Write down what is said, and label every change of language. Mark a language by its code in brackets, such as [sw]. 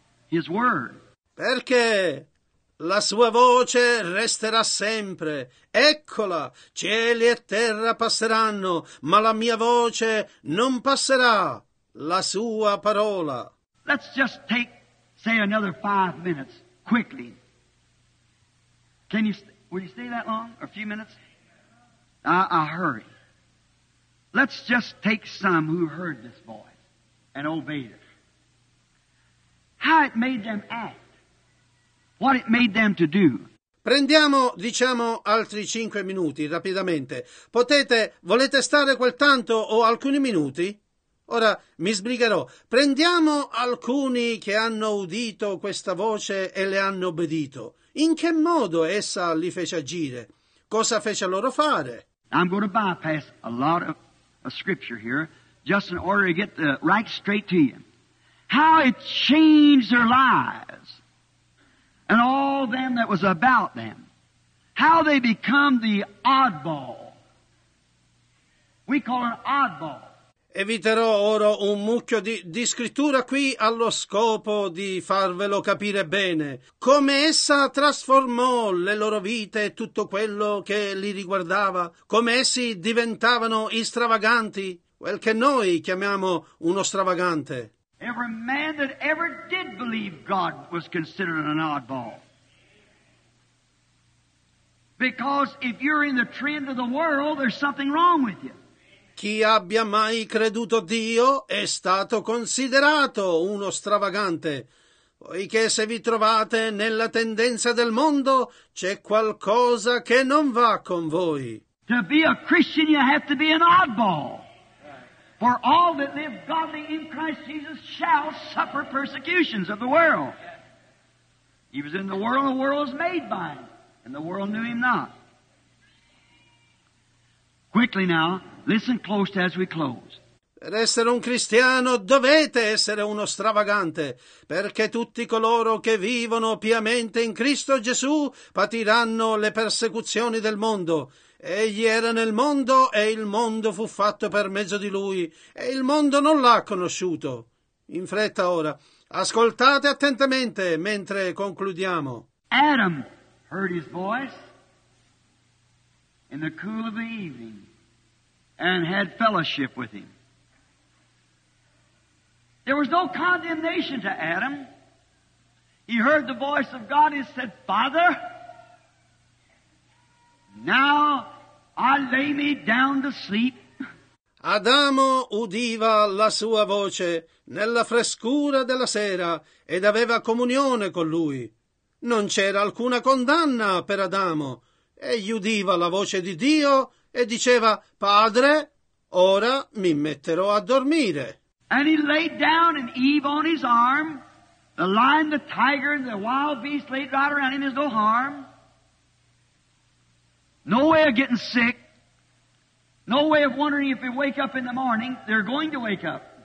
[en] His word. [it] Perché la sua voce resterà sempre. Eccola, cieli e terra passeranno, ma la mia voce non passerà, la sua parola. [en] Let's just take, say, another 5 minutes, quickly. Will you stay that long, or a few minutes? I'll hurry. Let's just take some who heard this voice and obeyed it. How it made them act. What it made them to do. [it] Prendiamo, diciamo, altri 5 minuti, rapidamente. Volete stare quel tanto o alcuni minuti? Ora mi sbrigherò. Prendiamo alcuni che hanno udito questa voce e le hanno obbedito. In che modo essa li fece agire? Cosa fece loro fare? [en] I'm going to bypass a lot of scripture here, just in order to get the right straight to you. How it changed their lives. And all them that was about them, how they become the oddball. We call an oddball. [it] Eviterò ora un mucchio di scrittura qui allo scopo di farvelo capire bene. Come essa trasformò le loro vite e tutto quello che li riguardava. Come essi diventavano stravaganti, quel che noi chiamiamo uno stravagante. [en] Every man that ever did believe God was considered an oddball. Because if you're in the trend of the world, there's something wrong with you. [it] Chi abbia mai creduto Dio è stato considerato uno stravagante, poiché se vi trovate nella tendenza del mondo, c'è qualcosa che non va con voi. [en] To be a Christian, you have to be an oddball. For all that live godly in Christ Jesus shall suffer persecutions of the world. He was in the world was made by him, and the world knew him not. Quickly now, listen close as we close. [it] Per essere un cristiano dovete essere uno stravagante, perché tutti coloro che vivono piamente in Cristo Gesù patiranno le persecuzioni del mondo. Egli era nel mondo e il mondo fu fatto per mezzo di lui e il mondo non l'ha conosciuto. In fretta ora, ascoltate attentamente mentre concludiamo. [en] Adam heard his voice in the cool of the evening and had fellowship with him. There was no condemnation to Adam. He heard the voice of God and said, Father, now I lay me down to sleep. [it] Adamo udiva la sua voce nella frescura della sera ed aveva comunione con lui. Non c'era alcuna condanna per Adamo. Egli udiva la voce di Dio e diceva, Padre, ora mi metterò a dormire. [en] And he laid down and Eve on his arm. The lion, the tiger, the wild beast laid right around him is no harm. No way of getting sick. No way of wondering if they wake up in the morning. They're going to wake up.